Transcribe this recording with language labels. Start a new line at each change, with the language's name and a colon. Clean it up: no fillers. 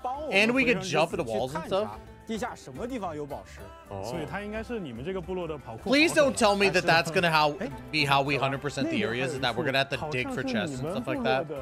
English: And we can jump into walls and stuff.
Chinese: 地下什么地方有宝石？所以它应该是你们这个部落的跑酷。
English: Please don't tell me that that's gonna be how we 100% the areas, is that we're gonna have to dig for chests and stuff like that.